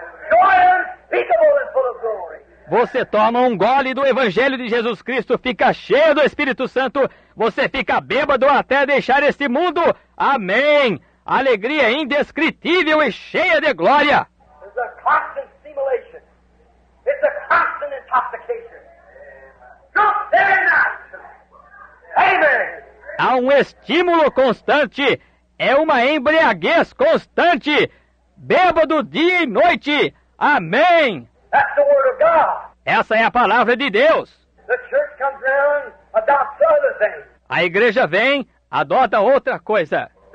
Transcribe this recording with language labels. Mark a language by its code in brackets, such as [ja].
[en] Joy unspeakable and full of glory. [pt] Você toma um gole do Evangelho de Jesus Cristo, fica cheio do Espírito Santo, você fica bêbado até deixar este mundo. Amém! Alegria indescritível e cheia de glória. [en] It's a constant stimulation. It's a constant intoxication. Drunk there and now. Amen. [pt] Há um estímulo constante, é uma embriaguez constante, bêbado dia e noite. Amém. [en] That's the word of God. [pt] Essa é a palavra de Deus. [en] The church comes around, adopts other things. [pt] A igreja vem, adota outra coisa.